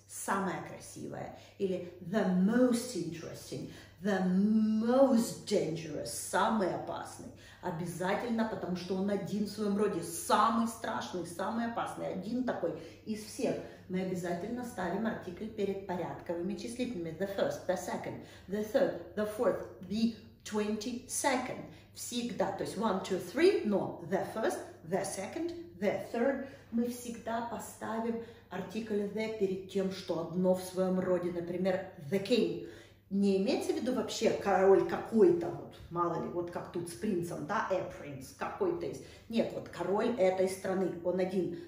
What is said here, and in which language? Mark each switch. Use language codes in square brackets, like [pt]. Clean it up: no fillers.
[ru] Самое красивое. Или [en] the most interesting. The most dangerous, [ru] самый опасный. Обязательно, потому что он один в своем роде, самый страшный, самый опасный, один такой из всех. Мы обязательно ставим артикль перед порядковыми числительными. [en] The first, the second, the third, the fourth, the 22nd. [ru] Всегда, то есть 1, 2, 3, но [en] the first, the second, the third. [ru] Мы всегда поставим артикль the перед тем, что одно в своем роде, например, the king. Не имеется в виду вообще король какой-то, вот, мало ли, вот как тут с принцем, да, a prince, какой-то из. Нет, вот король этой страны, он один.